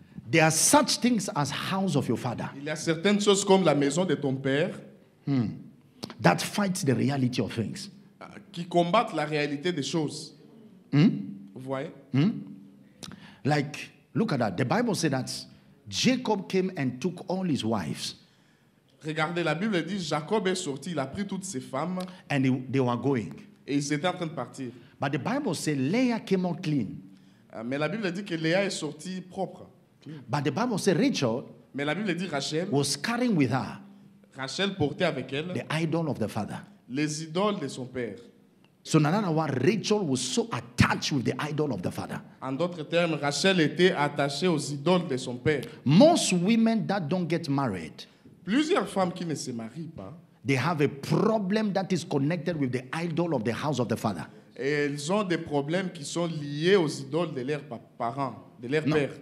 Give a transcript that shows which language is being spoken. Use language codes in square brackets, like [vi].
[en] There are such things as house of your father. [fr] Il y a certaines choses comme la maison de ton père. [en] That fight the reality of things. [fr] Qui combattent la réalité des choses. Vous voyez? [en] Like, look at that. The Bible says that Jacob came and took all his wives. [fr] Regardez, la Bible dit Jacob est sorti, il a pris toutes ses femmes. [en] And they were going. [fr] Et ils étaient en train de partir. [en] But the Bible says Leah came out clean. [fr] Mais la Bible dit que Leah est sortie propre. [en] But the Bible says Rachel. [fr] Mais la Bible dit Rachel. [en] Was carrying with her. [fr] Rachel portait avec elle. [en] The idol of the father. [fr] Les idoles de son père. [en] So in another word, Rachel was so attached with the idol of the father. [fr] En d'autres termes, Rachel était attachée aux idoles de son père. [en] Most women that don't get married, [fr] plusieurs femmes qui ne se marient pas, [en] they have a problem that is connected with the idol of the house of the father. [fr] Et elles ont des problèmes qui sont liés aux idoles de leurs parents, de leur père.